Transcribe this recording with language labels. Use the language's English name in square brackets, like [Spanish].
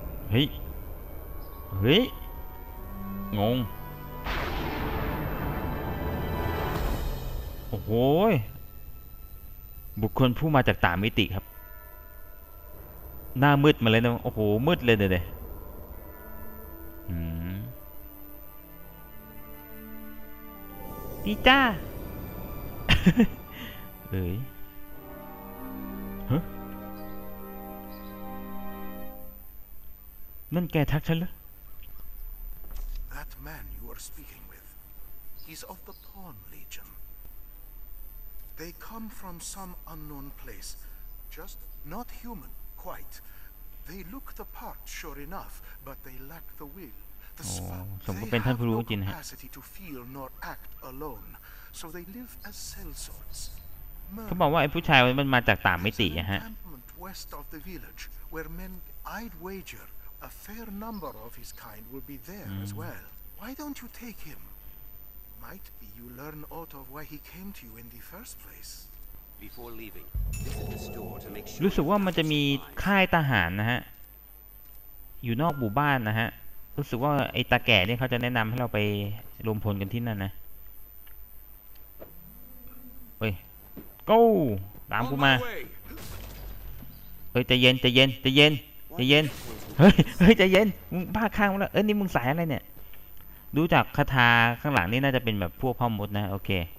[Thai] เฮ้ยงงโอ้โหบุคคลผู้มาจากต่างมิติครับหน้ามืดมาเลยนะโอ้โหมืดเลยเดี๋ยวพี่จ้าเฮ้ย นั่นแกทักฉันเหรอ [English] That man you are speaking with he's of the pawn legion They come from some unknown place, just not human, quite. They look the part, sure enough, but they lack the will. The spark. They have no capacity to feel nor act alone, so they live as cell sorts. [Thai] เขาบอกว่าไอ้ผู้ชายมันมาจากต่างมิติฮะ [English] encampment west of the village, where men, I'd wager, a fair number of his kind will be there as well. Why don't you take him? Might be you learn aught of why he came to you in the first place. Before leaving, visit the store to make sure. [Thai] รู้สึกว่ามันจะมีค่ายทหารนะฮะอยู่นอกหมู่บ้านนะฮะรู้สึกว่าไอ้ตาแก่เนี่ยเขาจะแนะนำให้เราไปรวมพลกันที่นั่นนะเฮ้ยก ก็ตามกูมาเฮ้ยใจเย็นใจเย็นใจเย็นใจเย็นเฮ้ยเฮ้ยใจเย็นมึงบ้าข้างแล้วเอ้ยนี่มึงสายอะไรเนี่ยดูจากคาถาข้างหลังนี่น่าจะเป็นแบบพวกพ่อมดนะโอเค